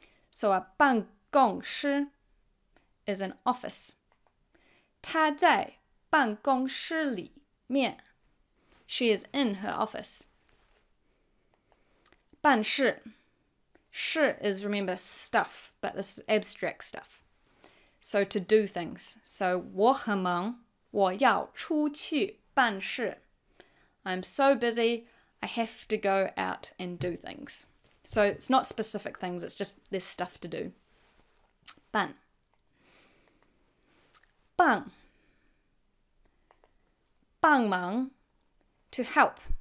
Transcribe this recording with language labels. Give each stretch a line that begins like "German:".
English: So a 办公室is an office.
Chinese: 她在办公室里面。
English: She is in her office.
Chinese: 办事。
English: 事 is, remember, stuff, but this is abstract stuff. So to do things.
Chinese: So 我很忙,我要出去办事。
English: I'm so busy, I have to go out and do things. So it's not specific things, it's just there's stuff to do. 办帮帮忙 to help.